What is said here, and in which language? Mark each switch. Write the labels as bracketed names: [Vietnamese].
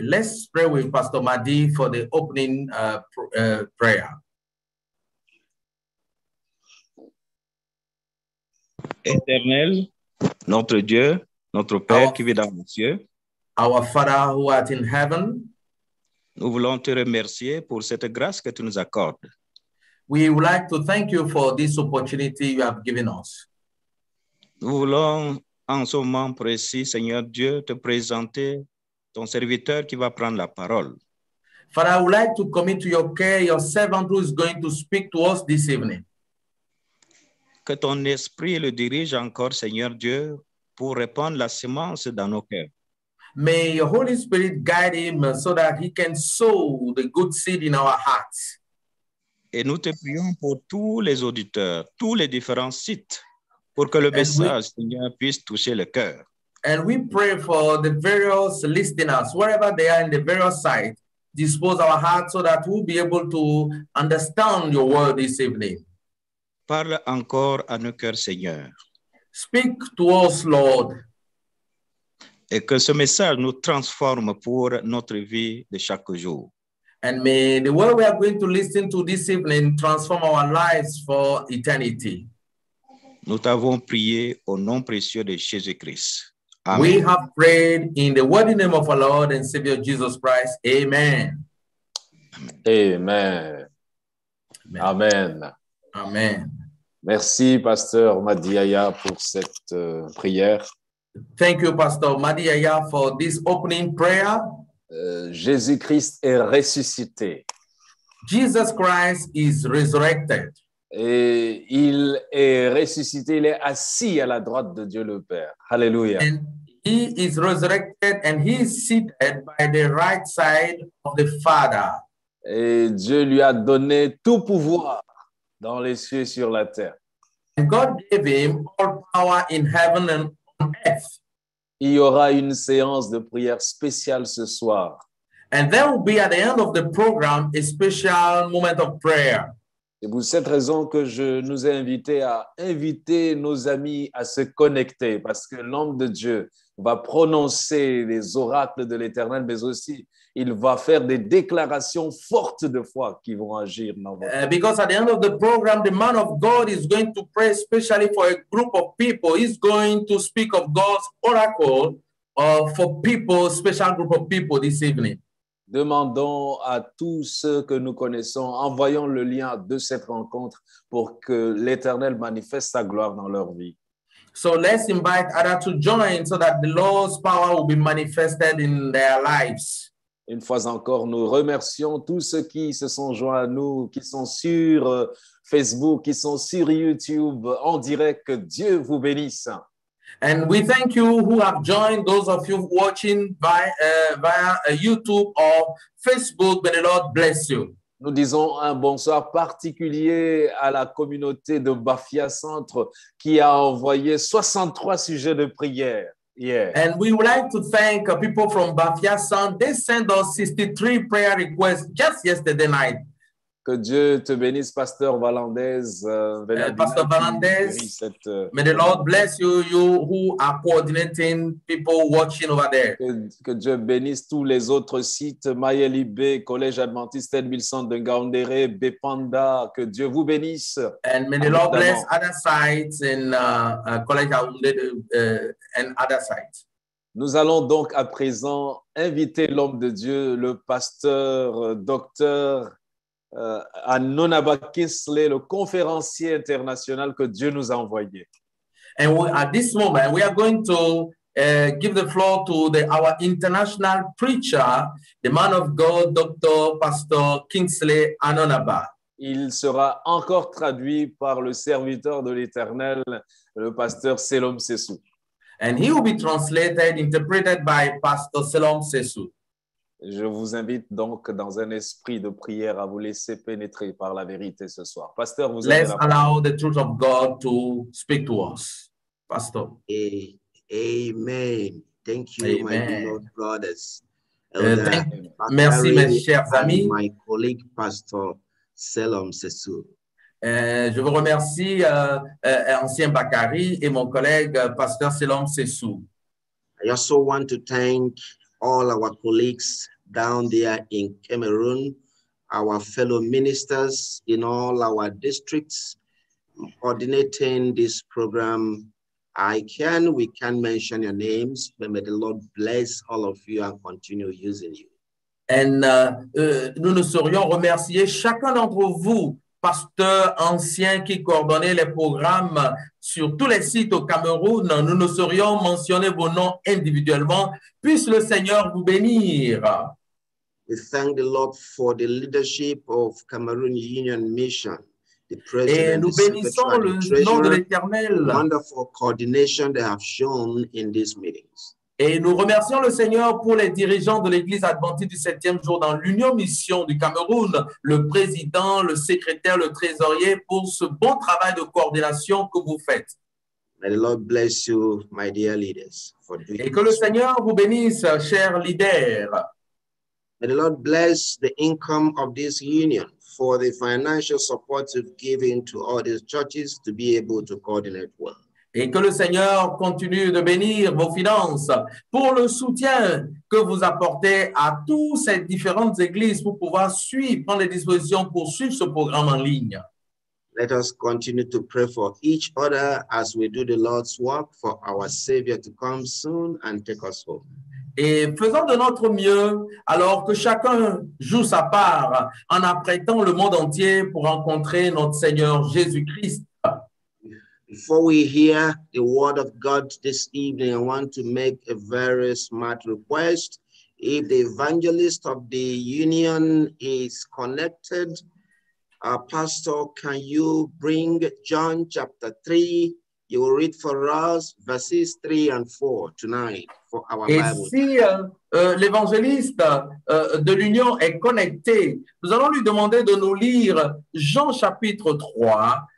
[English] Let's pray with Pastor Madi for the opening prayer. [French] Éternel, notre Dieu, notre Père qui vit dans les cieux. [English] Our Father who art in heaven. [French] Nous voulons te remercier pour cette grâce que tu nous accordes. [English] We would like to thank you for this opportunity you have given us. [French] Nous voulons en ce moment précis, Seigneur Dieu, te présenter ton serviteur qui va prendre la parole. [English] Father, I would like to commit to your care your servant who is going to speak to us this evening. [French] Que ton esprit le dirige encore, Seigneur Dieu, pour répandre la semence dans nos cœurs. [English] May your Holy Spirit guide him so that he can sow the good seed in our hearts. [French] Et nous te prions pour tous les auditeurs, tous les différents sites, pour que le message, Seigneur, puisse toucher le cœur. [English] And we pray for the various listeners, wherever they are in the various sites, dispose our hearts so that we'll be able to understand your word this evening. [French] Parle encore à nos cœurs, Seigneur. [English] Speak to us, Lord. [French] Et que ce message nous transforme pour notre vie de chaque jour. [English] And may the word we are going to listen to this evening transform our lives for eternity. [French] Nous t'avons prié au nom précieux de Jésus-Christ. Amen. [English] We have prayed in the worthy name of our Lord and Savior Jesus Christ. Amen. Amen. Amen. Amen. Amen. [French] Merci, Pasteur Madiaya, pour cette prière. [English] Thank you, Pastor Madiaya, for this opening prayer. [French] Jésus-Christ est ressuscité. [English] Jesus Christ is resurrected. [French] Et il est ressuscité, il est assis à la droite de Dieu le Père. Hallelujah. [English] And he is resurrected and he is seated by the right side of the Father. [French] Et Dieu lui a donné tout pouvoir dans les cieux et sur la terre. [English] And God gave him all power in heaven and on earth. [French] Il y aura une séance de prière spéciale ce soir. [English] And there will be at the end of the program a special moment of prayer. [French] C'est pour cette raison que je nous ai invités à inviter nos amis à se connecter, parce que l'homme de Dieu va prononcer les oracles de l'Éternel, mais aussi il va faire des déclarations fortes de foi qui vont agir dans votre vie. [English] Because at the end of the program, the man of God is going to pray specially for a group of people. He's going to speak of God's oracle for people, special group of people this evening. [French] Demandons à tous ceux que nous connaissons, envoyons le lien de cette rencontre pour que l'Éternel manifeste sa gloire dans leur vie. [English] So let's invite others to join so that the Lord's power will be manifested in their lives. [French] Une fois encore, nous remercions tous ceux qui se sont joints à nous, qui sont sur Facebook, qui sont sur YouTube, en direct. Que Dieu vous bénisse. [English] And we thank you who have joined, those of you watching via YouTube or Facebook. May the Lord bless you. [French] Nous disons un bonsoir particulier à la communauté de Bafia Centre qui a envoyé 63 sujets de prière hier. [English] And we would like to thank people from Bafia Centre. They sent us 63 prayer requests just yesterday night. [French] Que Dieu te bénisse, Pasteur Valandez. [English] Pasteur Valandez, may the Lord bless you who are coordinating people watching over there. [French] Que Dieu bénisse tous les autres sites, Mayelibé, Collège Adventiste, Edmilson de Ngaoundéré, Bepanda, que Dieu vous bénisse. [English] And may the Lord bless other sites in Collège Adventiste and other sites. [French] Nous allons donc à présent inviter l'homme de Dieu, le pasteur, docteur, Anonaba Kinsley, le conférencier international que Dieu nous a envoyé. [English] And we, at this moment, we are going to give the floor to our international preacher, the man of God, Dr. Pastor Kinsley Anonaba. [French] Il sera encore traduit par le serviteur de l'Éternel, le pasteur Selom Sesou. [English] And he will be translated, interpreted by Pastor Selom Sesou. [French] Je vous invite donc dans un esprit de prière à vous laisser pénétrer par la vérité ce soir. Pasteur, vous avez la parole. [English] Let's allow the truth of God to speak to us. Pastor. Amen. Thank you, amen. My beloved brothers. [French] Merci, mes chers amis. [English] My colleague, Pastor Selom Sesou. [French] Je vous remercie, ancien Bakari, et mon collègue, Pasteur Selom Sesou. [English] I also want to thank all our colleagues down there in Cameroon, our fellow ministers in all our districts coordinating this program. We can mention your names, but may the Lord bless all of you and continue using you. [French] And nous ne saurions remercier chacun d'entre vous, pasteurs anciens qui coordonnaient les programmes sur tous les sites au Cameroun. Nous ne saurions mentionner vos noms individuellement. Puisse le Seigneur vous bénir. [English] We thank the Lord for the leadership of Cameroon Union Mission. The president, [French] et nous bénissons le nom de l'Éternel. [English] Wonderful coordination they have shown in these meetings. [French] Et nous remercions le Seigneur pour les dirigeants de l'Église Adventiste du Septième Jour dans l'Union Mission du Cameroun, le président, le secrétaire, le trésorier, pour ce bon travail de coordination que vous faites. [English] May the Lord bless you, my dear leaders, for doing [French] this. Et que le Seigneur vous bénisse, chers leaders. [English] May the Lord bless the income of this union for the financial support you've given to all these churches to be able to coordinate well. [French] Et que le Seigneur continue de bénir vos finances pour le soutien que vous apportez à toutes ces différentes églises pour pouvoir suivre, prendre les dispositions pour suivre ce programme en ligne. [English] Let us continue to pray for each other as we do the Lord's work for our Savior to come soon and take us home. [French] Et faisons de notre mieux alors que chacun joue sa part en apprêtant le monde entier pour rencontrer notre Seigneur Jésus-Christ. [English] Before we hear the word of God this evening, I want to make a very smart request. If the evangelist of the union is connected, Pastor, can you bring John chapter 3? You will read for us verses 3 and 4 tonight for our [French] Et [English] Bible. [French] Et si l'évangéliste de l'union est connecté, nous allons lui demander de nous lire Jean chapitre 3.